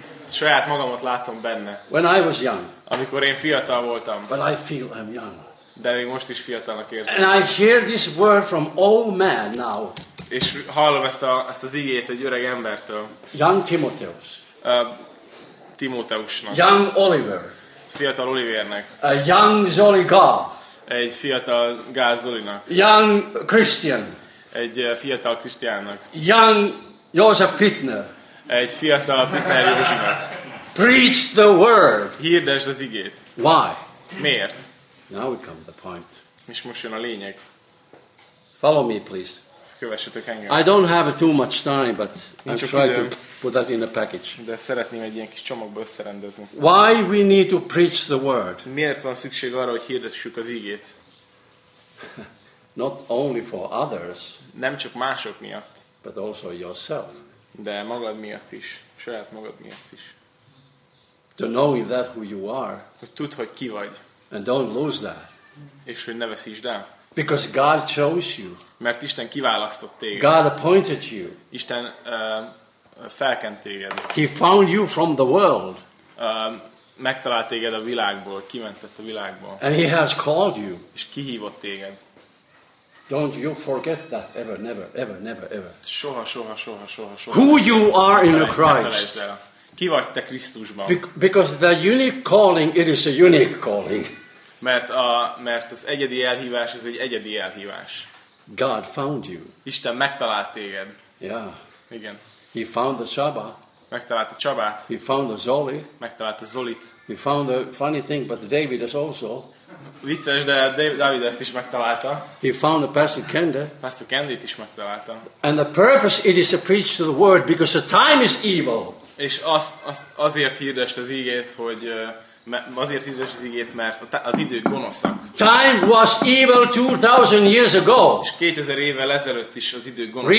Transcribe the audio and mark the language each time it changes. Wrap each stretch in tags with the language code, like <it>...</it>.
<hu>Saját magamat látom benne.</hu> <en>When I was young.</en> <hu>Amikor én fiatal voltam.</hu> <en>But I feel I'm young.</en> <hu>De még most is fiatalnak érzem.</hu> <en>And I hear this word from old man now.</en> <hu>És hallom ezt az igét egy öreg embertől.</hu> <en>Young Timotheus.</en> <hu>Timóteusnak.</hu> <en>Young Oliver.</en> <hu>Fiatal Olivernek.</hu> <en>A young Zoliga.</en> <hu>Egy fiatal Gázolinak.</hu> <en>Young Christian.</en> <hu>Egy fiatal Krisztiánnak.</hu> <en>Young Joseph Pitner.</en> <hu>Egy fiatal Pitner Józsinak.</hu> <en>Preach the word.</en> <hu>Hirdesd az igét.</hu> <en>Why?</en> <hu>Miért?</hu> <en>Now we come to the point.</en> <hu>És most jön a lényeg.</hu> <en>Follow me, please.</en> <hu>Kövessetek engem.</hu> <en>I don't have too much time, but I'm trying to put that in a package.</en> <hu>De szeretném egy ilyen kis csomagba összerendezni.</hu> <en>Why we need to preach the word?</en> <hu>Miért van szükség arra, hogy hirdessük az igét?</hu> <en>Not only for others.</en> <hu>Nem csak mások miatt.</hu> <en>But also yourself.</en> <hu>De magad miatt is, saját magad miatt is.</hu> <en>To know that who you are.</en> <hu>Hogy tudd, hogy ki vagy.</hu> <en>And don't lose that.</en> <hu>És hogy ne veszítsd el.</hu> <en>Because God chose you.</en> <hu>Mert Isten kiválasztott téged.</hu> <en>God appointed you.</en> <hu>Isten felkent téged.</hu> <en>He found you from the world.</en> <hu>Megtalált téged a világból, kimentett a világból.</hu> <en>And he has called you.</en> <hu>És kihívott téged.</hu> <en>Don't you forget that ever, never, ever, never, ever.</en> <hu>Soha.</hu> <en>Who you are in Christ.</en> <hu>Ki vagy te Krisztusban?</hu> <en>Because the unique calling, it is a unique calling.</en> <hu>Mert az egyedi elhívás, ez egy egyedi elhívás.</hu> <en>God found you.</en> <hu>Isten megtalált téged.</hu> <en>Yeah.</en> <hu>Igen.</hu> <en>He found the Csaba.</en> <hu>Megtalált a Csabát.</hu> <en>He found the Zoli.</en> <hu>Megtalált a Zolit.</hu> <en>He found the funny thing, but David is also.</en> <hu>Vicces, de David ezt is megtalálta.</hu> <en>He found the Pastor Kende.</en> <hu>Pastor Kendit is megtalálta.</hu> <en>And the purpose, it is to preach the word, because the time is evil.</en> <hu>És azért hirdest az igét, hogy azért hirdest az igét, mert az idő gonoszak.</hu> <en>Time was evil 2000 years ago.</en> <hu>És 2000 évvel ezelőtt is az idő gonoszak.</hu>